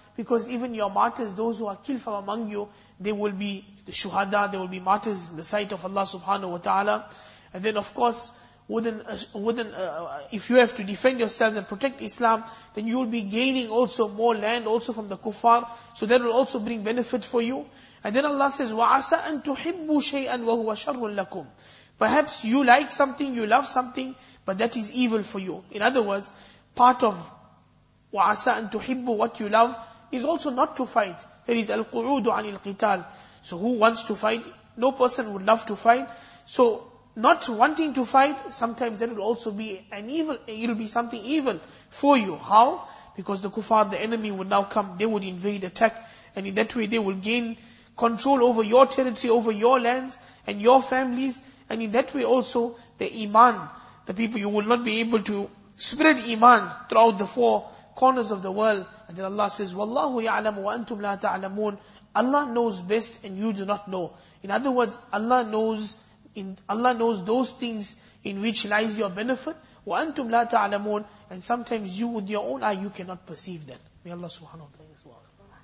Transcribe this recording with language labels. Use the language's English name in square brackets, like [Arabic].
[English] Because even your martyrs, those who are killed from among you, they will be the shuhada, they will be martyrs in the sight of Allah subhanahu wa ta'ala. And then of course, if you have to defend yourselves and protect Islam, then you will be gaining also more land also from the kuffar. So that will also bring benefit for you. And then Allah says, [Arabic] وَعَسَىٰ أَن تُحِبُّ شَيْئًا وَهُوَ شَرٌ لَكُمْ. [English] Perhaps you like something, you love something, but that is evil for you. In other words, part of [Arabic] وَعَسَىٰ أَن تُحِبُّ, [English] what you love, is also not to fight. There is al-qu'udu [Arabic] عَنِ الْقِتَالِ. [English] So who wants to fight? No person would love to fight. So not wanting to fight, sometimes that will also be an evil, it will be something evil for you. How? Because the kuffar, the enemy would now come, they would invade, attack, and in that way they will gain control over your territory, over your lands, and your families, and in that way also, the iman, the people, you will not be able to spread iman throughout the four corners of the world. And then Allah says, [Arabic] وَاللَّهُ يَعْلَمُ وَأَنْتُمْ لَا تَعْلَمُونَ. [English] Allah knows best and you do not know. In other words, Allah knows those things in which lies your benefit. [Arabic] وَأَنْتُمْ لَا تَعْلَمُونَ. [English] And sometimes you with your own eye, you cannot perceive that. May Allah subhanahu wa ta'ala.